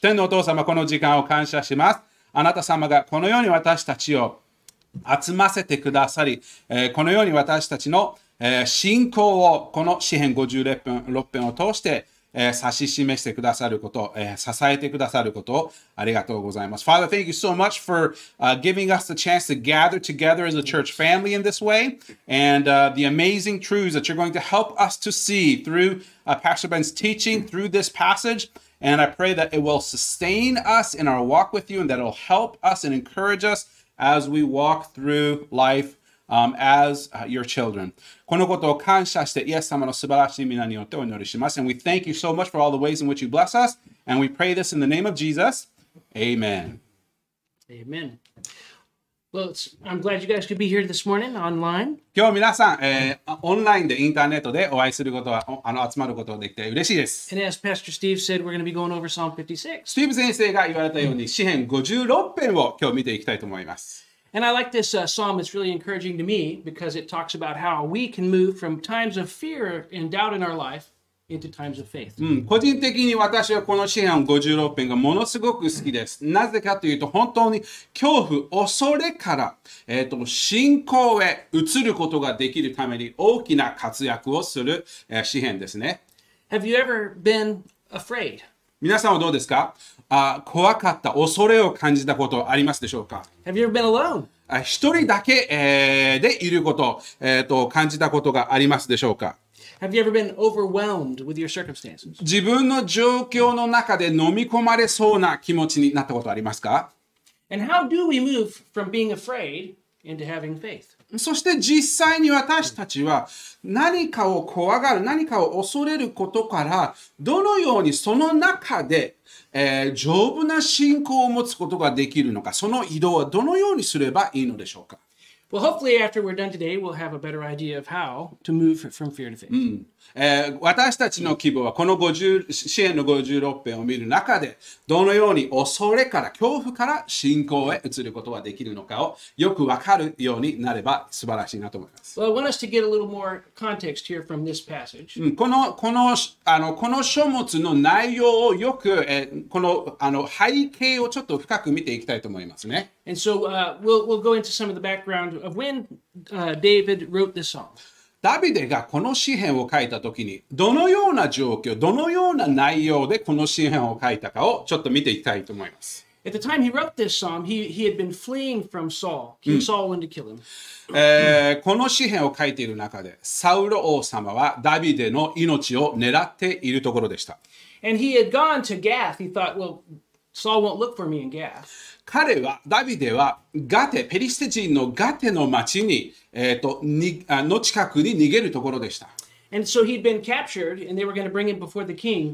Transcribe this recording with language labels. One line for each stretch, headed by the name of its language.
Japanese: 天のお父様、この時間を感謝します。あなた様がこのように私たちを集ませてくださり、このように私たちの、信仰をこの詩編56編を通して、指し示してくださること、支えてくださることをありがとうございます。
English: Father, thank you so much for、giving us the chance to gather together as a church family in this way, and、the amazing truths that you're going to help us to see through、Pastor Ben's teaching, through this passage, and I pray that it will sustain us in our walk with you, and that it will help us and encourage us as we walk through life、as、your children.
Japanese: このことを感謝して、イエス様の素晴らしい皆によってお祈りします。
English: And we thank you so much for all the ways in which you bless us. And we pray this in the name of Jesus. Amen. Amen. Well, I'm glad you guys could be here this morning online.
Japanese: 今日皆さん、オンラインでインターネットでお会いすることは、集まることができて嬉しいです。
English: And as Pastor Steve said, we're going to be going over Psalm 56.
Japanese: スティーブ先生が言われたように、詩編56編を今日見ていきたいと思います。
English: And I like this、psalm. It's really encouraging to me because it talks about how we can move from times of fear and doubt in our life into times of faith.、
Japanese: 個人的に私はこの詩編56編がものすごく好きです。なぜかというと、本当に恐怖、恐れから、信仰へ移ることができるために大きな活躍をする、詩編ですね。
English: Have you ever been afraid?
Japanese: 皆さんはどうですか? 怖かった、恐れを感じたことありますでしょうか。
English: Have you ever been alone?
Japanese: 一人だけ、でいること、感じたことがありますでしょうか。
English: Have you ever been overwhelmed with your circumstances?
Japanese: 自分の状況の中で飲み込まれそうな気持ちになったことありますか。
English: And how do we move from being afraid into having faith?
Japanese: そして実際に私たちは何かを怖がる、何かを恐れることからどのようにその中で丈夫な信仰を持つことができるのか、その移動はどのようにすればいいのでしょうか。
English: Well, hopefully after we're done today, we'll have a better idea of how to move from fear to faith.、
Japanese: 私たちの希望はこの詩編の56編を見る中で、どのように恐れから、恐怖から信仰へ移ることができるのかをよくわかるようになれば素晴らしいなと思います。
English: Well, I want us to get a little more context here from this passage.、
Japanese: この書物の内容をよく、この背景をちょっと深く見ていきたいと思いますね。
English: And so、we'll go into some of the background of when、David wrote this song.
Japanese: ダビデがこの詩編を書いたときに、どのような状況、どのような内容でこの詩編を書いたかをちょっと見ていきたいと思います。
English: At the time he wrote this psalm, he had been fleeing from Saul. King Saul wanted to kill him.、
Japanese: この詩編を書いている中で、サウロ王様はダビデの命を狙っているところでした。
English: And he had gone to Gath. He thought, well, Saul won't look for me in Gath.
Japanese: 彼は、ダビデはガテ、ペリシテ人のガテの町に、の近くに逃げるところでした。
English: And so he'd been captured, and they were going to bring him before the king.